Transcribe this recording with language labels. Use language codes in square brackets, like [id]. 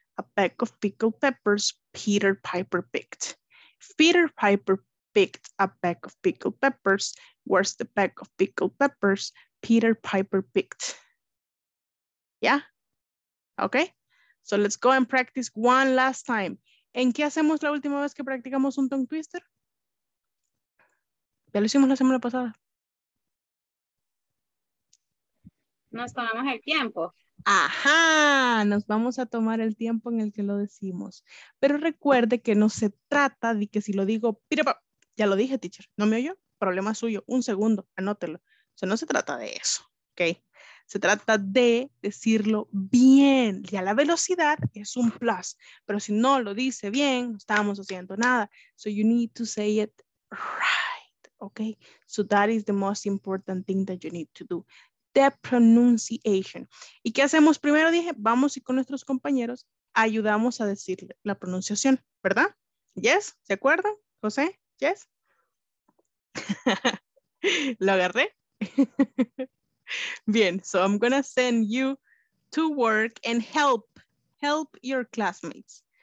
[en] A peck of pickled peppers Peter Piper picked. If Peter Piper picked a peck of pickled peppers, where's the peck of pickled peppers Peter Piper picked? Yeah? Okay? So let's go and practice one last time. [es] ¿En qué hacemos la última vez que practicamos un tongue twister? Ya lo hicimos la semana pasada. Nos tomamos el tiempo. Ajá, nos vamos a tomar el tiempo en el que lo decimos. Pero recuerde que no se trata de que si lo digo, ya lo dije, teacher, ¿no me oyó? Problema suyo, un segundo, anótelo. O sea, no se trata de eso, ¿ok? Se trata de decirlo bien. Ya la velocidad es un plus, pero si no lo dice bien, no estamos haciendo nada. [en] So you need to say it right, ¿ok? So that is the most important thing that you need to do. The pronunciation. [es] ¿Y qué hacemos? Primero dije, vamos y con nuestros compañeros ayudamos a decir la pronunciación, ¿verdad? ¿Yes? ¿Se acuerdan, José? ¿Yes? ¿Lo agarré? Bien, [en] so I'm gonna send you to work and help your classmates.